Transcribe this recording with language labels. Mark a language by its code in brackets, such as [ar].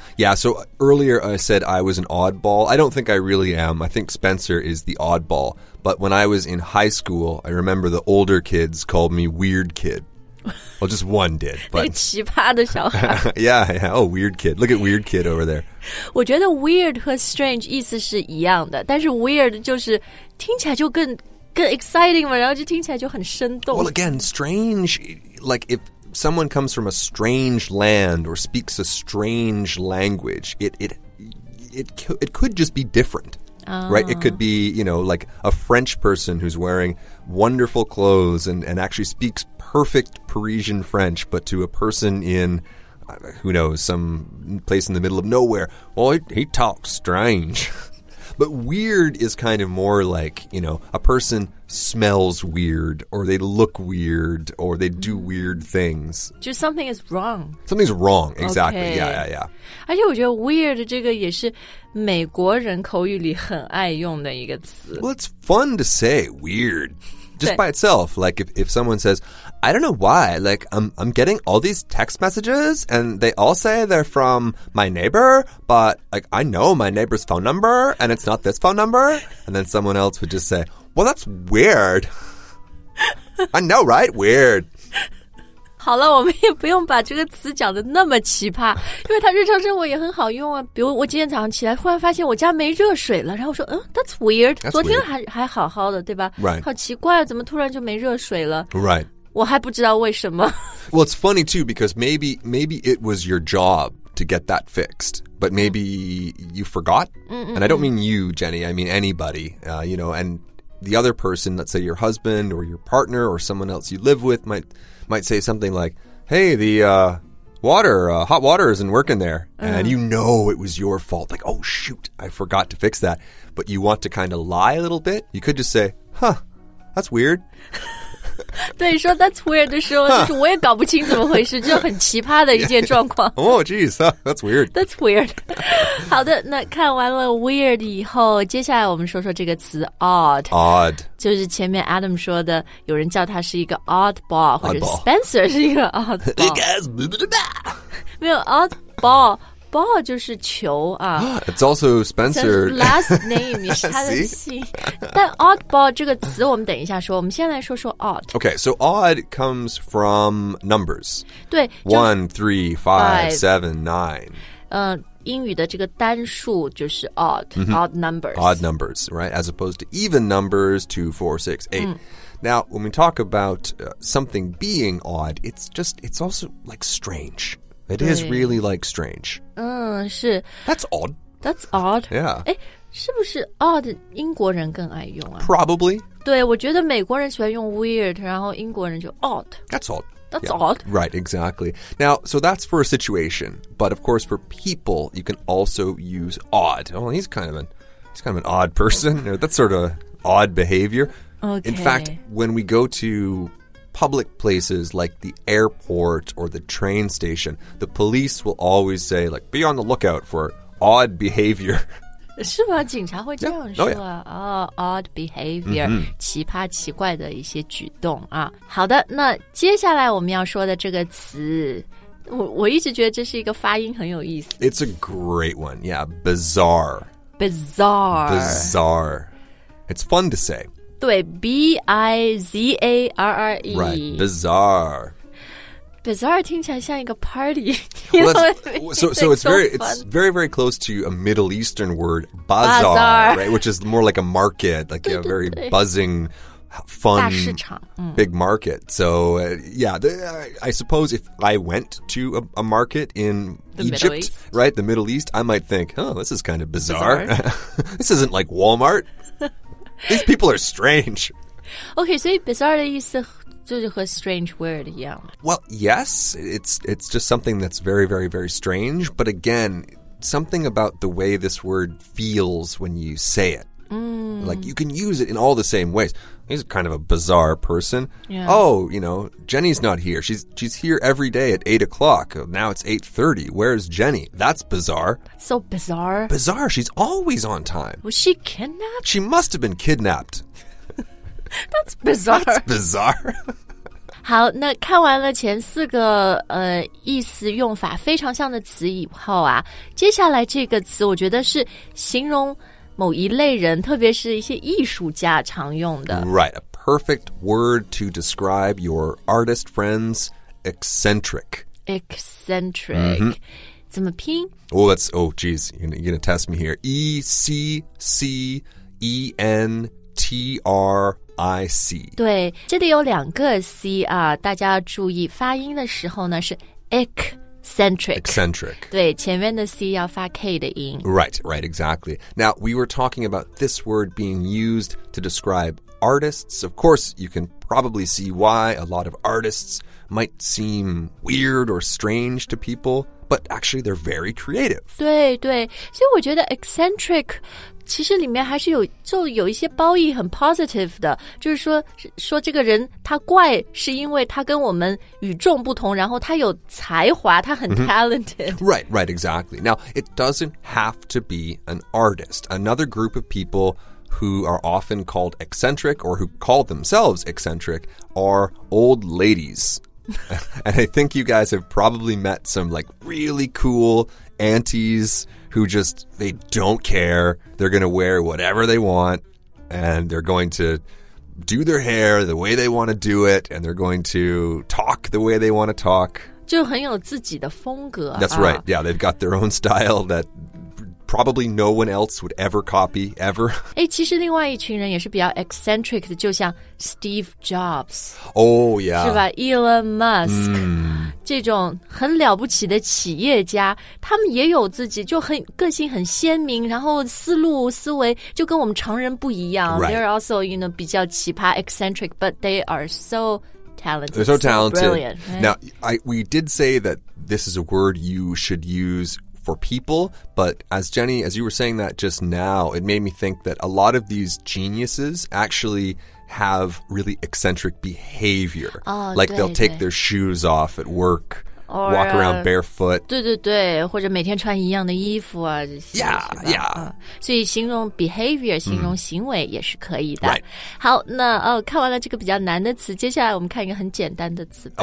[en] Yeah, so earlier I said I was an oddball. I don't think I really am. I think Spencer is the oddball. But when I was in high school, I remember the older kids called me weird kid. Well, just one did. But... [zh] 那个奇葩的小孩。 [en] Yeah. Oh, weird kid. Look at weird kid over there. [zh] 我觉得 weird 和 strange 意思是一样的，但是 weird 就是听起来就更 exciting 嘛，然后就听起来就很生动。 [en] Well, again, strange, like if someone comes from a strange land or speaks a strange language, it could just be different, right? It could be, you know, like a French person who's wearing wonderful clothes and actually speaks perfect Parisian French, but to a person in... who knows, some place in the middle of nowhere. Well, he talks strange. But weird is kind of more like, you know, a person smells weird, or they look weird, or they do weird things. Just something is wrong. Something's wrong, exactly. Okay. Yeah. [zh] 而且我觉得 weird 这个也是美国人口语里很爱用的一个词。 [en] Well, it's fun to say weird. Just by itself, like if someone says, I don't know why, like I'm getting all these text messages and they all say they're from my neighbor, but like I know my neighbor's phone number and it's not this phone number. And then someone else would just say, well, that's weird. I know, right? Weird. [zh] 好了，我们也不用把这个词讲得那么奇葩，因为它日常生活也很好用啊。比如我今天早上起来，忽然发现我家没热水了，然后我说， [en] that's weird. That's [zh] 昨天还好好的，对吧 [en] ？Right. [zh] 好奇怪，怎么突然就没热水了 [en] ？Right. [zh] 我还不知道为什么。 [en] Well, it's funny too because maybe it was your job to get that fixed, but maybe you forgot. And I don't mean you, Jenny. I mean anybody. You know, and the other person, let's say your husband or your partner or someone else you live with, might say something like, hey, the hot water isn't working there. Uh-huh. And you know it was your fault. Like, oh, shoot, I forgot to fix that. But you want to kind of lie a little bit. You could just say, huh, that's weird. [zh] 对，说 [en] that's weird [zh] 的时候，就是我也搞不清怎么回事，就很奇葩的一件状况。 [en] Yeah, yeah. Oh, geez, that's weird. That's weird. [zh] 好的，那看完了 weird 以后，接下来我们说说这个词 odd. [en] Odd. [zh] 就是前面 Adam 说的，有人叫他是一个 oddball, 或者 Spencer 是一个 oddball. [en] Hey guys, blah, blah, blah. [zh] 没有 oddball, ball 就是球啊。 [en] It's also Spencer's last name [zh] 也是他的姓。但 oddball 这个词我们等一下说，我们先来说说 odd. [en] Okay, so odd comes from numbers. [zh] 对 [en] ,1, 3, 5, 7, 9. [zh] 英语的这个单数就是 odd,、mm-hmm. [en] odd numbers. Odd numbers, right? As opposed to even numbers, 2, 4, 6, 8.、Mm. Now, when we talk about something being odd, it's also like strange. It is really, like, strange. [zh] 是。 [en] That's odd. That's odd. Yeah. [zh] 是不是 odd 英国人更爱用啊? [en] Probably. [zh] 对,我觉得美国人喜欢用 weird, 然后英国人就 odd. [en] That's odd. That's、yeah. odd. Right, exactly. Now, so that's for a situation. But, of course, for people, you can also use odd. Oh, he's kind of an odd person. That's sort of odd behavior. Okay. In fact, when we go to... public places like the airport or the train station, the police will always say, like, be on the lookout for odd behavior. [zh] 是吗?警察会这样说啊? [en] Yeah. Oh, yeah. Oh, odd behavior,、mm-hmm. [zh] 奇葩奇怪的一些举动啊。好的,那接下来我们要说的这个词,我一直觉得这是一个发音很有意思。 [en] It's a great one, yeah, bizarre. Bizarre. Bizarre. It's fun to say. [zh] 对 B-I-Z-A-R-R-E. [en] Right, bizarre. [zh] Bizarre 听起来像一个 party. [en] Well, so it's, very, it's very, very close to a Middle Eastern word, bazaar, right, which is more like a market, like a very buzzing, fun, big market. So, I suppose if I went to a market in Egypt, right, the Middle East, I might think, oh, this is kind of bizarre. This isn't like Walmart. These people are strange. [zh] Okay, so bizarre 的意思就是和 strange word 一样。 [en] Well, yes, it's just something that's very, very, very strange. But again, something about the way this word feels when you say it.、 Mm. Like, you can use it in all the same ways. He's kind of a bizarre person.、 Yeah. Oh, you know, Jenny's not here. She's here every day at 8 o'clock. Now it's 8:30. Where's Jenny? That's bizarre. That's so bizarre. Bizarre. She's always on time. Was she kidnapped? She must have been kidnapped. That's bizarre. That's bizarre. [zh] 好，那看完了前四个意思用法非常像的词以后啊，接下来这个词我觉得是形容某一类人，特别是一些艺术家常用的。 [en] Right, a perfect word to describe your artist friends, eccentric. Eccentric.、Mm-hmm. [zh] 怎么拼? [en] Oh, that's, oh, geez, you're going to test me here. E-C-C-E-N-T-R-I-C. [zh] 对,这里有两个 C 啊,大家要注意发音的时候呢是 ec-Eccentric. 对,前面的 C 要发 K 的音。 [en] Right, right, exactly. Now, we were talking about this word being used to describe artists. Of course, you can probably see why a lot of artists might seem weird or strange to people, but actually they're very creative. [zh] 对,对,所以我觉得 eccentric... 其实里面还是有一些褒义很 positive 的，就是说这个人他怪是因为他跟我们与众不同，然后他有才华，他很 talented、 [en] mm-hmm. Right, right, exactly. Now, it doesn't have to be an artist. Another group of people who are often called eccentric or who call themselves eccentric are old ladies. And I think you guys have probably met some like really cool aunties who just, they don't care. They're going to wear whatever they want, and they're going to do their hair the way they want to do it, and they're going to talk the way they want to talk. [zh] 就很有自己的风格啊。 [en] That's right. Yeah, they've got their own style that... probably no one else would ever copy, ever. [zh] 其实另外一群人也是比较 eccentric 的，就像 Steve Jobs. [en] Oh, yeah. [zh] 是吧? Elon Musk. 这种很了不起的企业家，他们也有自己就很个性很鲜明，然后思路思维就跟我们常人不一样。 [en] Right. They're also, you know, [zh] 比较奇葩 [en] eccentric, but they are so talented. They're so talented. So brilliant, right? Now, we did say that this is a word you should use for people, but as Jenny, as you were saying that just now, it made me think that a lot of these geniuses actually... have really eccentric behavior. Oh, like they'll take their shoes off at work, or, walk around barefoot. [zh] 对对对，或者每天穿一样的衣服啊，这些。 [en] Yeah, yeah. [zh] 所以形容 behavior, 形容行为也是可以的。 [en] Right. [zh] 好，那哦，看完了这个比较难的词，接下来我们看一个很简单的词吧。